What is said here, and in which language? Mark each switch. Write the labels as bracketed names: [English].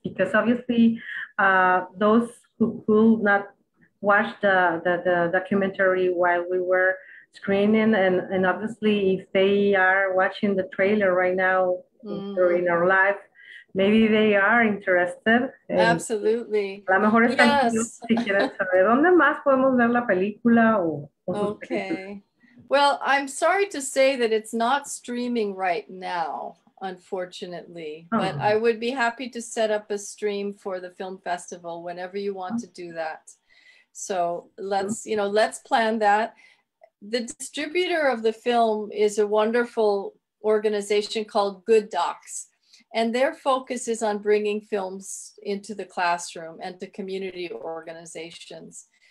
[English] Because obviously those who could not watch the documentary while we were screening, and obviously if they are watching the trailer right now during our live, maybe they are interested. Absolutely. [Spanish] A lo mejor están si quieren saber dónde más podemos ver la película o sus películas. [English] Well, I'm sorry to say that it's not streaming right now, unfortunately, but I would be happy to set up a stream for the film festival whenever you want to do that. So let's plan that. The distributor of the film is a wonderful organization called Good Docs, and their focus is on bringing films into the classroom and to community organizations.